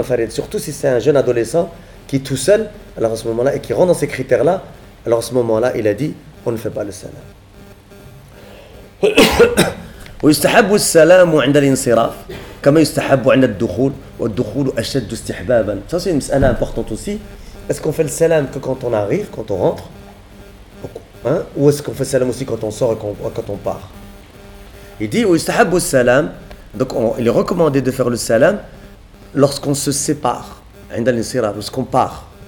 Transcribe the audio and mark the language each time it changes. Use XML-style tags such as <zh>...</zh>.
<fr>Surtout si c'est un jeune adolescent qui est tout seul, alors à ce moment-là, et qui rentre dans ces critères-là, alors à ce moment-là, il a dit, on ne fait pas le salam.</fr> <ar>ويستحب السلام عند الانصراف كما يستحب عند الدخول والدخول اشد استحبابا.</ar> <fr>Ça c'est une مساله importante aussi. Est-ce qu'on fait le salam que quand on arrive, quand on rentre hein? Ou est-ce qu'on fait le salam aussi quand on sort et quand on part? Il dit</fr> <ar>ويستحب السلام.</ar> <fr>Donc il est recommandé de faire le salam lorsqu'on se sépare,</fr> <ar>عند الانصراف,</ar> <fr>lorsqu'on part.</fr>